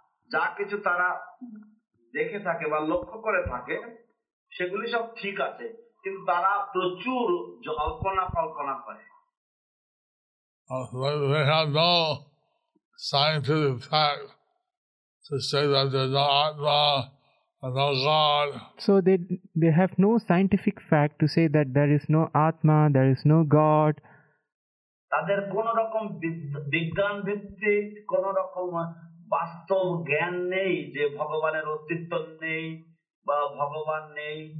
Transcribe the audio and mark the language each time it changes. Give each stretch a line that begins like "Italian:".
Bangla: যা কিছু তারা দেখে থাকে বা লক্ষ্য করে থাকে সেগুলি সব ঠিক আছে, কিন্তু তারা প্রচুর জল্পনা কল্পনা করে.
English: They have no scientific fact to say that there's no Atma and no God. So they have no scientific fact to say that there is no Atma, there is no God.
Bangla: তাদের কোন রকম বিজ্ঞান ভিত্তিক কোন রকম বাস্তব জ্ঞান নেই যে ভগবানের অস্তিত্ব নেই বা ভগবান নেই.